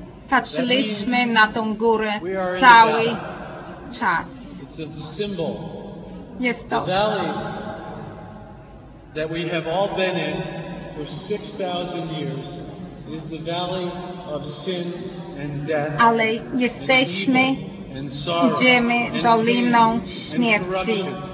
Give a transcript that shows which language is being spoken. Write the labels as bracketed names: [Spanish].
[Polish] patrzyliśmy na tą górę cały czas. [English] It's a symbol. [Polish] Jest to [English] valley that we have all been in for 6,000 years. Is the valley of sin and death. [Polish] Ale jesteśmy, idziemy doliną śmierci.